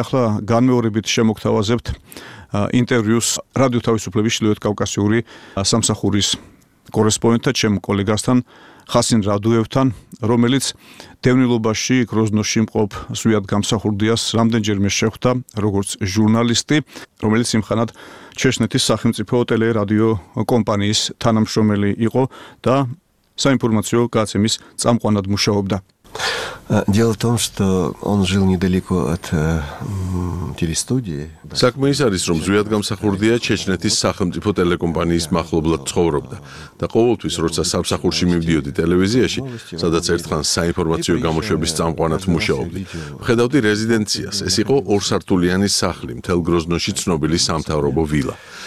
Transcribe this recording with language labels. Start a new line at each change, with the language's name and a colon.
Georgian: ახლა განმეორებით შემოგთავაზებთ ინტერვიუს რადიო თავისუფლების ჩრდილოეთ კავკასიური სამსახურის კორესპონდენტთან, ჩემ კოლეგასთან ხასინ რადუევთან, რომელიც დევნილობაში გროზნოში მყოფ ზვიად გამსახურდიას რამდენჯერმე შეხვდა როგორც ჟურნალისტი, რომელიც იმხანად ჩეშნეთის სახელმწიფო ტელერადიო კომპანიის თანამშრომელი იყო და საინფორმაციო გაცემის წამყვანად მუშაობდა.
Russian: Дело в том, что он жил недалеко от телестудии.
Georgian: Сакме ის არის, რომ ზვიად გამსახურდია ჩეჩნეთის სახელმწიფო ტელეკომპანიის მახლობლად ცხოვრობდა და ყოველთვის როცა სამსახურში მივდიოდი ტელევიზიაში, სადაც ერთხანს საინფორმაციო გამოშვების წამყვანად მუშაობდი. ვხედავდი რეზიდენციას, ეს იყო ორსართულიანი სახლი, მთელ გროზნოში ცნობილი სამთავრობო ვილა.